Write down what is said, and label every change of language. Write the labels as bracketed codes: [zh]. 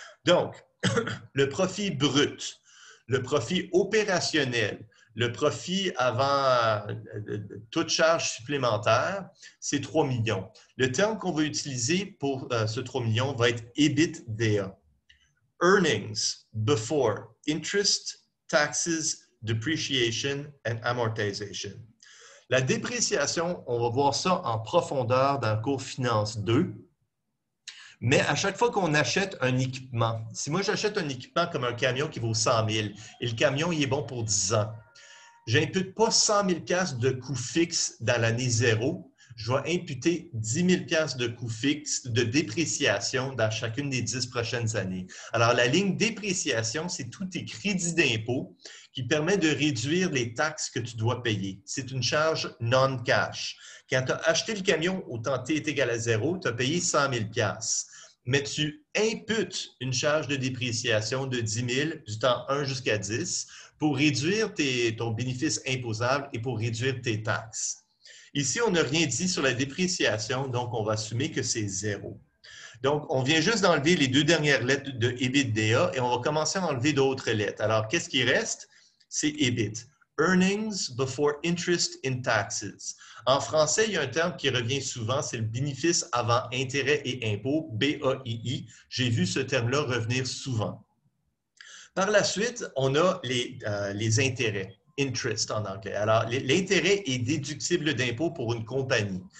[fr] Donc, le profit brut, le profit opérationnel, le profit avant toute charge supplémentaire, c'est 3 millions. Le terme qu'on va utiliser pour ce 3 millions va être EBITDA. [en] Earnings before interest, taxes, depreciation and amortization. [fr] La dépréciation, on va voir ça en profondeur dans le cours Finance 2. Mais à chaque fois qu'on achète un équipement, si moi j'achète un équipement comme un camion qui vaut 100 000 et le camion il est bon pour 10 ans, je n'impute pas 100 000 piastres de coûts fixes dans l'année zéro. Je vais imputer 10 000 piastres de coûts fixes de dépréciation dans chacune des 10 prochaines années. Alors, la ligne dépréciation, c'est tous tes crédits d'impôt qui permet de réduire les taxes que tu dois payer. C'est une charge non cash. Quand tu as acheté le camion, autant T est égal à zéro, tu as payé 100 000 piastres. Mais tu imputes une charge de dépréciation de 10 000 du temps 1 jusqu'à 10 pour réduire ton bénéfice imposable et pour réduire tes taxes. Ici, on n'a rien dit sur la dépréciation, donc on va assumer que c'est zéro. Donc, on vient juste d'enlever les deux dernières lettres de EBITDA et on va commencer à enlever d'autres lettres. Alors, qu'est-ce qui reste? C'est EBIT. [en] Earnings before interest and taxes. [fr] En français, il y a un terme qui revient souvent, c'est le bénéfice avant intérêt et impôts, BAII. J'ai vu ce terme-là revenir souvent. Par la suite, on a les intérêts. Interest en anglais. Alors, l'intérêt est déductible d'impôt pour une compagnie.